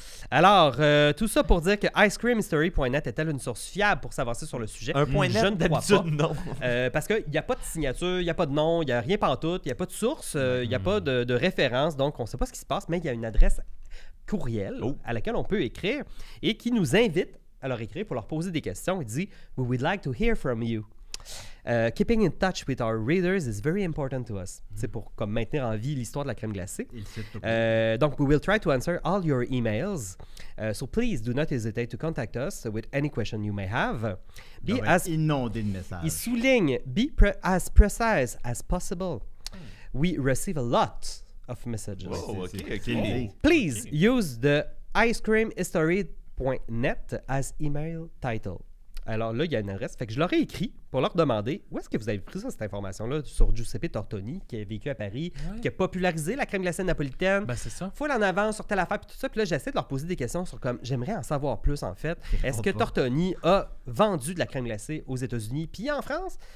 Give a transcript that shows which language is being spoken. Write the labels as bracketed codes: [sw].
[fr] Alors, tout ça pour dire que icecreamhistory.net est-elle une source fiable pour s'avancer sur le sujet? Un point net, d'habitude, non. Parce qu'il n'y a pas de signature, il n'y a pas de nom, il n'y a rien pantoute, il n'y a pas de source, il n'y a pas de référence. Donc, on ne sait pas ce qui se passe, mais il y a une adresse courriel à laquelle on peut écrire et qui nous invite à leur écrire pour leur poser des questions. Il dit [en] « We would like to hear from you. Keeping in touch with our readers is very important to us. » [fr] C'est pour comme maintenir en vie l'histoire de la crème glacée. Donc, [en] « We will try to answer all your emails. So please do not hesitate to contact us with any question you may have. » Inondé de messages. [fr] Il souligne [en] « Be as precise as possible. We receive a lot of messages. » Please use the icecreamhistory.net as email title. [fr] Alors là, il y a une adresse. Fait que je leur ai écrit pour leur demander où est-ce que vous avez pris ça, cette information-là sur Giuseppe Tortoni qui a vécu à Paris, qui a popularisé la crème glacée napolitaine. Ben, c'est ça. Full en avant sur telle affaire puis tout ça. Puis là, j'essaie de leur poser des questions sur comme j'aimerais en savoir plus en fait. Est-ce que Tortoni a vendu de la crème glacée aux États-Unis puis en France?